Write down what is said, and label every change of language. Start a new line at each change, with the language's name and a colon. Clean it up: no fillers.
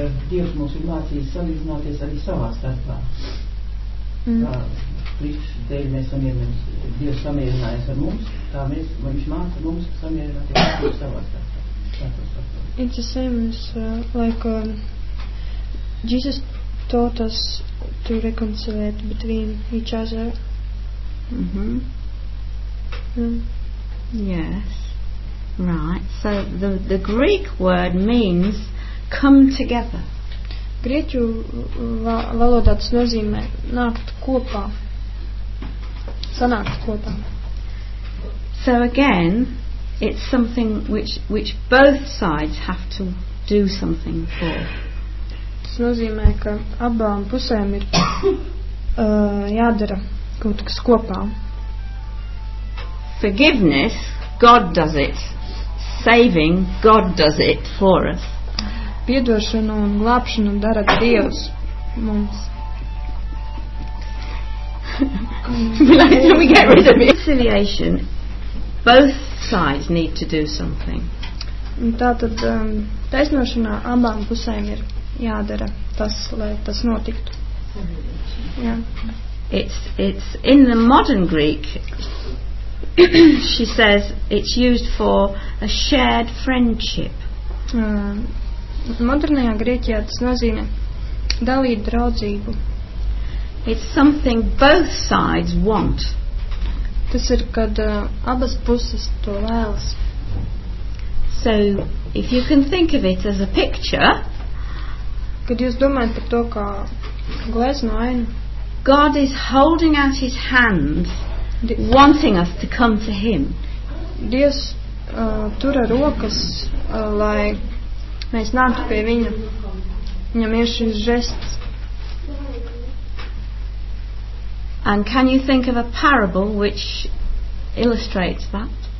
Latvian: Dievs mums ir mācījis salīdzināties arī savā starpā. Tā priekšdēļ mēs samierinājums, Dievs samierinājas ar mums, tā mēs, viņš māca mums samierināties ar savā starpā.
English: It's the same as, like, Jesus taught us to reconcile between each other. Yes. Right. So the Greek word means come together.
Latvian: Grieķu valodā tas nozīmē nākt kopā. Sanākt kopā.
English: So again, it's something which both sides have to do something for.
Latvian: Tas nozīmē, ka abām pusēm ir jādara kaut kas kopā.
English: Forgiveness, God does it. Saving, God does it for us.
Latvian: Piedošanu un glābšanu dara Dievs mums.
English: We get rid of it. Reconciliation, both sides need to do something.
Latvian: Tātad taisnošanā abām pusēm ir jādara tas, lai tas notiktu. Jā.
English: It's in the modern Greek, she says it's used for a shared friendship.
Latvian: Modernajā Grieķijā tas nozīmē dalīt draudzību.
English: It's something both sides want.
Latvian: Tas ir, kad abas puses to vēlas.
English: So, if you can think of it as a picture,
Latvian: kad jūs domājat par to, kā glezno aina,
English: God is holding out his hands, wanting us to come to him.
Latvian: Dievs tura rokas, lai mēs nāktu pie viņa. Viņam ir šis žests.
English: And can you think of a parable which illustrates that?